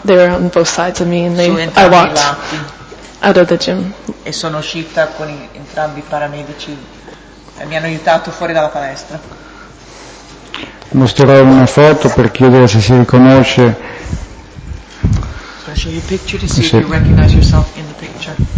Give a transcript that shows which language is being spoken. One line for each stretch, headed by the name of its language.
English: They were on both sides of me, and I walked out of the gym.
Italian: E sono uscita con entrambi i paramedici e mi hanno aiutato fuori dalla palestra. Mostrerò una foto per chiedere se si riconosce.
English: So I show you a picture to see if you recognize yourself in the picture.